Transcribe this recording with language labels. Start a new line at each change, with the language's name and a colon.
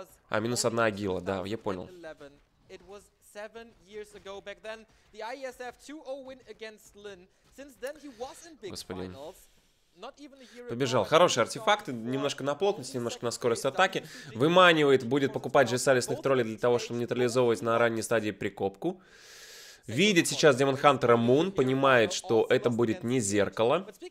Russian: А, минус одна агила, да, я понял.
English: 7 years ago back then the ISF 2-0 win against Lin. Since then he was in big finals.
Russian: Побежал. Хороший артефакт, немножко на плотность, немножко на скорость атаки. Выманивает, будет покупать Джессалисных троллей для того, чтобы нейтрализовывать на ранней стадии прикопку. Видит сейчас Демон Хантера Мун, понимает, что это будет не зеркало.